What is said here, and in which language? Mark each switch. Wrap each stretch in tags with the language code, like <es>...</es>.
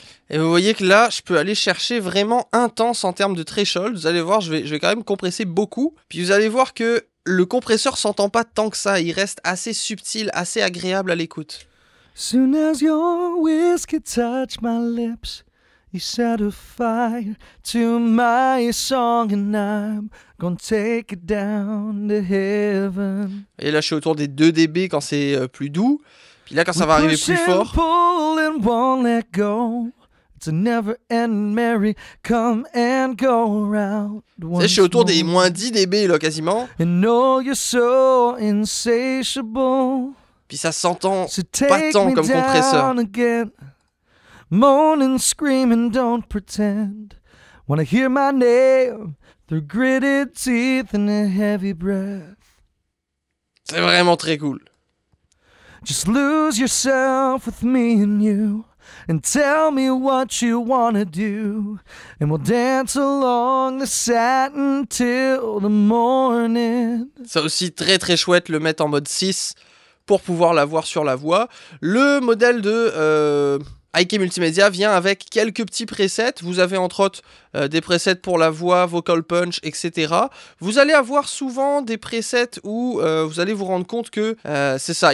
<fr>Et vous voyez que là, je peux aller chercher vraiment intense en termes de threshold. Vous allez voir, je vais quand même compresser beaucoup. Puis vous allez voir que le compresseur s'entend pas tant que ça. Il reste assez subtil, assez agréable à l'écoute.</fr> <en>Soon as your whiskey touch my lips, you set a fire to my song and I'm gonna take it down to heaven.</en> <fr>Et là, je suis autour des 2 dB quand c'est plus doux. Puis là, quand ça va arriver plus fort.</fr> <en>We push and pull and won't let go. To never end merry, come and go around.</en> <fr>Je suis autour des moins 10 dB là quasiment.</fr> <en>And know you're so insatiable.</en> <fr>Puis ça s'entend pas tant comme compresseur.</fr> <en>Moan and scream and don't pretend. Wanna hear my name through gritted teeth and a heavy breath.</en> <fr>C'est vraiment très cool.</fr> <en>Just lose yourself with me and you. And tell me what you wanna do. And we'll dance along the satin till the morning.</en> <fr>Ça aussi très très chouette, le mettre en mode 6 pour pouvoir l'avoir sur la voix. Le modèle de IK Multimédia vient avec quelques petits presets. Vous avez entre autres des presets pour la voix, vocal punch, etc. Vous allez avoir souvent des presets où vous allez vous rendre compte que c'est ça.</fr>